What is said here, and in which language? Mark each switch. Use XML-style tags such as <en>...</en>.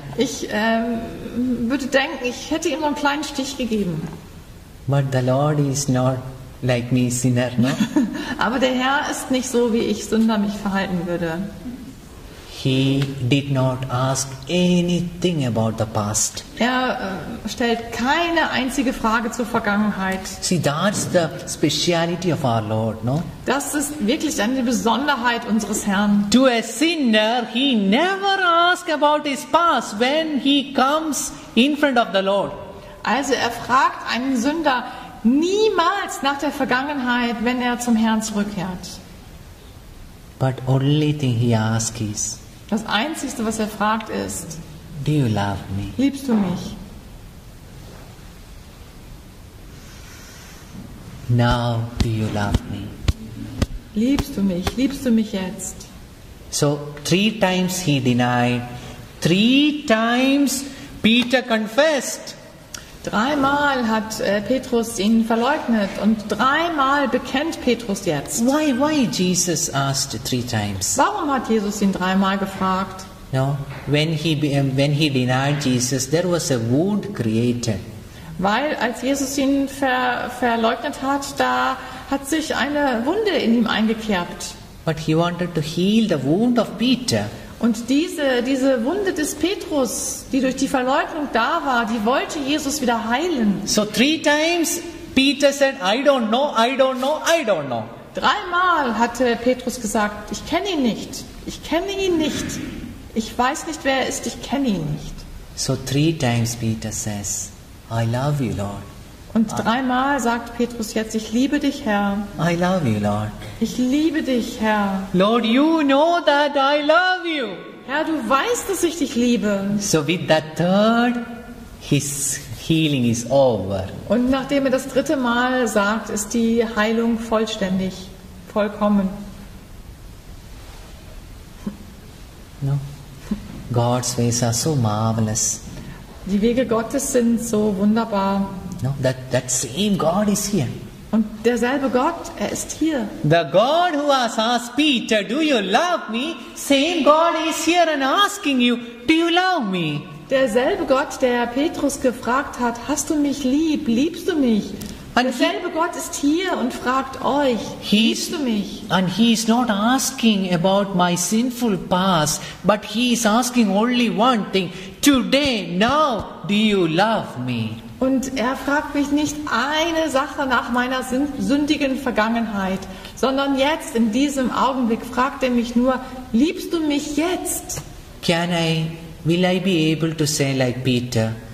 <de>Ich würde denken, ich hätte ihm so einen kleinen Stich gegeben.</de> <en>But the Lord is not like me, sinner, no?</en> <de>Aber der Herr ist nicht so, wie ich Sünder mich verhalten würde.</de> <en>He did not ask anything about the past.</en> <de>Er stellt keine einzige Frage zur Vergangenheit.</de> <en>See, that's the speciality of our Lord, no?</en> <de>Das ist wirklich eine Besonderheit unseres Herrn.</de> <en>To a sinner, he never asks about his past when he comes in front of the Lord.</en> <de>Also er fragt einen Sünder niemals nach der Vergangenheit, wenn er zum Herrn zurückkehrt.</de> <en>But only thing he asks is,</en> <de>das Einzige, was er fragt, ist,</de> <en>do you love me?</en> <de>Liebst du mich?</de> <en>Now, do you love me?</en> <de>Liebst du mich? Liebst du mich jetzt?</de> <en>So, three times he denied. Three times Peter confessed.</en> <de>Dreimal hat Petrus ihn verleugnet und dreimal bekennt Petrus jetzt.</de> <en>Why Jesus asked three times?</en> <de>Warum hat Jesus ihn dreimal gefragt?</de> <en>No, when he denied Jesus, there was a wound created.</en> <de>Weil als Jesus ihn verleugnet hat, da hat sich eine Wunde in ihm eingekerbt.</de> <en>But he wanted to heal the wound of Peter.</en> <de>Und diese Wunde des Petrus, die durch die Verleugnung da war, die wollte Jesus wieder heilen.</de> <en>So three times Peter said, I don't know, I don't know, I don't know.</en> <de>Dreimal hatte Petrus gesagt, ich kenne ihn nicht, ich kenne ihn nicht, ich weiß nicht, wer er ist, ich kenne ihn nicht.</de> <en>So three times Peter says, I love you, Lord.</en> <de>Und dreimal sagt Petrus jetzt, ich liebe dich, Herr.</de> <en>I love you, Lord.</en> <de>Ich liebe dich, Herr.</de> <en>Lord, you know that I love you.</en> <de>Herr, du weißt, dass ich dich liebe.</de> <en>So with that third, his healing is over.</en> <de>Und nachdem er das dritte Mal sagt, ist die Heilung vollständig, vollkommen.</de> <en>No. God's ways are so marvelous.</en> <de>Die Wege Gottes sind so wunderbar.</de> <en>No, that same God is here.</en> <de>Und derselbe Gott, er ist hier.</de> <en>The God who has asked Peter, do you love me? Same God is here and asking you, do you love me?</en> <de>Derselbe Gott, der Petrus gefragt hat, hast du mich lieb? Liebst du mich?</de> <en>And</en> <de>derselbe Gott ist hier und fragt euch, liebst du mich?</de> <en>And he is not asking about my sinful past, but he is asking only one thing. Today, now, do you love me?</en> <de>Und er fragt mich nicht eine Sache nach meiner sündigen Vergangenheit, sondern jetzt, in diesem Augenblick, fragt er mich nur, liebst du mich jetzt?</de> <en>Will I be able to say like Peter?</en>